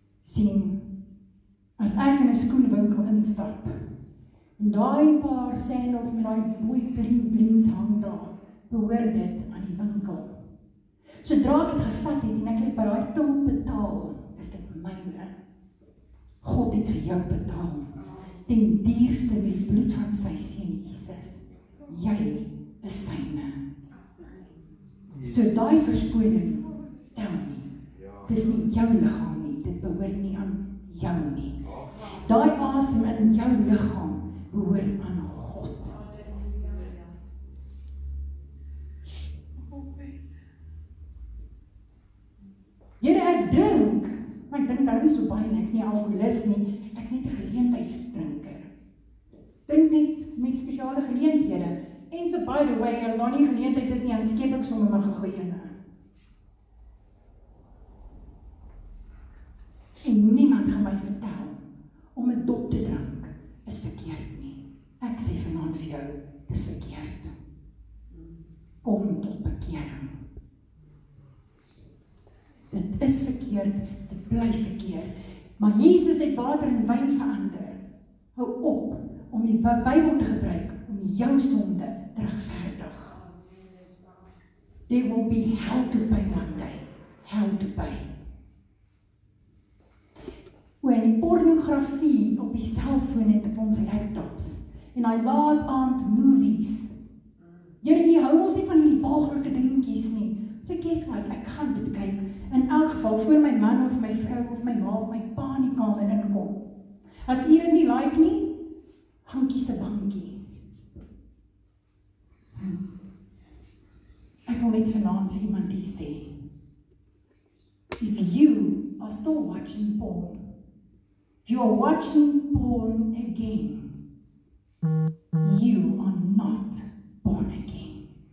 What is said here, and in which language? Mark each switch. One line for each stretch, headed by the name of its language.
Afrikaans: Sien, as ek in 'n skoenwinkel instap en daai paar sandels met daai mooi bling blings hang daar, behoort dit aan die winkel. Sodra ek dit gevat het en ek het by daai tol betaal, is dit myne. God het vir jou betaal. Ten dierste met die bloed van sy seun Jesus. Jy is syne. So daai verskoning tel nie. Dit is nie jou liggaam nie. Dit behoort nie aan jou nie. Daai asem in jou liggaam behoort aan God. Here, ek drink. Maar ek drink daar nie so baie nie. Ek is nie alkoholis nie. Ek is net 'n geleentheidsdrinker. Drink net met spesiale geleenthede. En so
English: by the way,
Afrikaans: as daar nie geleentheid is nie, dan skep ek sommer my gegooi ene. En niemand gaan my vertel om 'n dop te drink is verkeerd nie. Ek sê vanaand vir jou, dis verkeerd. Kom tot bekering. Dit is verkeerd, dit bly verkeerd. Maar Jesus het water in wyn verander. Hou op om die Bybel te gebruik om jou sonde te regverdig.
English: There will be hell to pay one day. Hell to pay.
Afrikaans: Oor die pornografie op die selfoon en op ons laptops en daai laat aand movies. Jy hou ons nie van die walgelike dingetjies nie. So ek sê maar ek gaan dit kyk. In elk geval voor my man of my vrou of my ma of my pa in die kamer inkom. As u dit nie like nie, gaan kies 'n bankie. Ek wil net vanaand vir iemand hier sê.
English: If you are still watching porn, if you are watching porn again, you are not born again.